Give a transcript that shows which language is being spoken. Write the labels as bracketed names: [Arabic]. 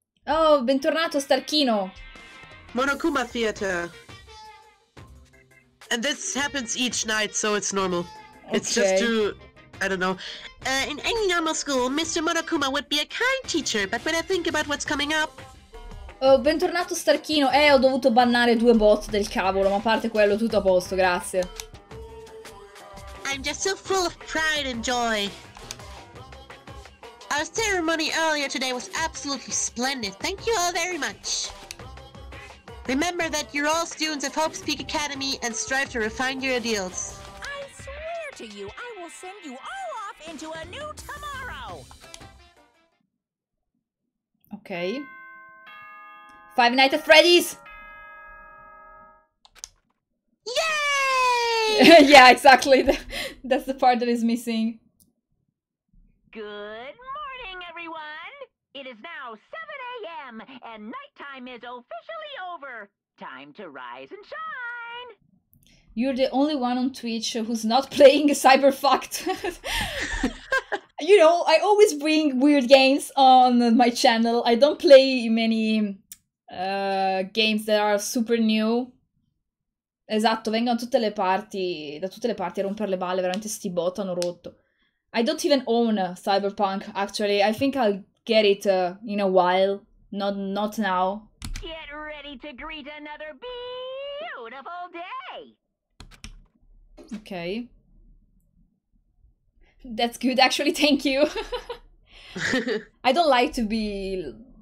[Italian] Oh, bentornato, Starkino! [English] Monokuma Theater. And this happens each night, so it's normal. Okay. It's just to... I don't know. In any normal school, Mr. Monokuma would be a kind teacher, but when I think about what's coming up... [Italian] Oh, bentornato, Starkino. Ho dovuto bannare due bot del cavolo, ma a parte quello, tutto a posto, grazie. [English] I'm just so full of pride and joy. Our ceremony earlier today was absolutely splendid. Thank you all very much. Remember that you're all students of Hope's Peak Academy and strive to refine your ideals. I swear to you, I will send you all off into a new tomorrow. Okay. Five Nights at Freddy's! Yay! Yeah, exactly. That's the part that is missing. Good morning, everyone! It is now 7 a.m. and nighttime is officially over. Time to rise and shine! You're the only one on Twitch who's not playing Cyberfucked. You know, I always bring weird games on my channel. I don't play many games that are super new. [Italian] Esatto, vengono tutte le parti, da tutte le parti a rompere le balle, veramente sti bot hanno rotto. [English] I don't even own Cyberpunk, actually. I think I'll get it in a while. Not now. Get ready to greet another beautiful day! Okay. That's good, actually, thank you. I don't like to be...